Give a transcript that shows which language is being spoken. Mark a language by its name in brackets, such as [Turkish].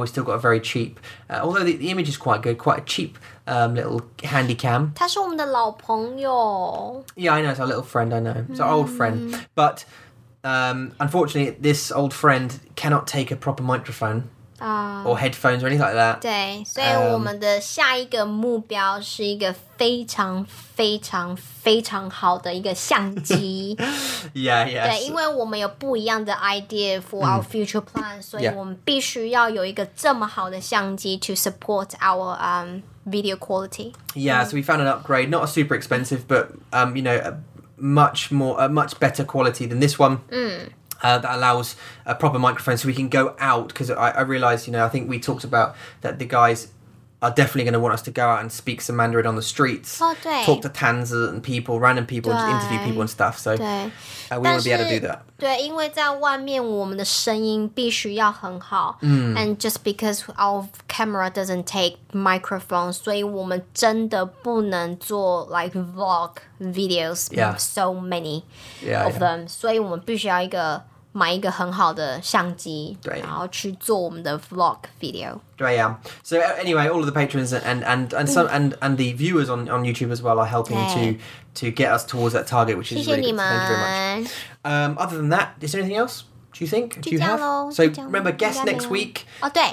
[English] We've still got a very cheap, although the image is quite good, quite a cheap little handy cam. [Chinese] 他是我们的老朋友。 [English] Yeah, I know, it's our little friend, I know. It's our old friend. But unfortunately, this old friend cannot take a proper microphone. Or headphones or anything like that. [Chinese] 对，所以我们的下一个目标是一个非常非常非常好的一个相机。 [English] Yeah, yeah. [Chinese] 对，因为我们有不一样的 [English] idea for our future plan, [Chinese] 所以我们必须要有一个这么好的相机 [English] to support our video quality. Yeah, so we found an upgrade, not a super expensive, but you know, a much better quality than this one. That allows a proper microphone so we can go out, because I realised, you know, I think we talked about that the guys are definitely going to want us to go out and speak some Mandarin on the streets, talk to Tanzi and people, random people, and just interview people and stuff. So we want to be able to do that. [Chinese] 对，因为在外面我们的声音必须要很好。 [English] And just because our camera doesn't take microphones, [Chinese] 所以我们真的不能做 [English] like vlog videos. Yeah. So many of them. [Chinese] 所以我们必须要一个买一个很好的相机，对，然后去做我们的 vlog video. 对呀。 [English] So anyway, all of the patrons and some and the viewers on YouTube as well are helping to get us towards that target, which is really good. Thank you very much. Other than that, is there anything else? Do you think? Do you have? So remember, guest next week. [Chinese] Oh, 对。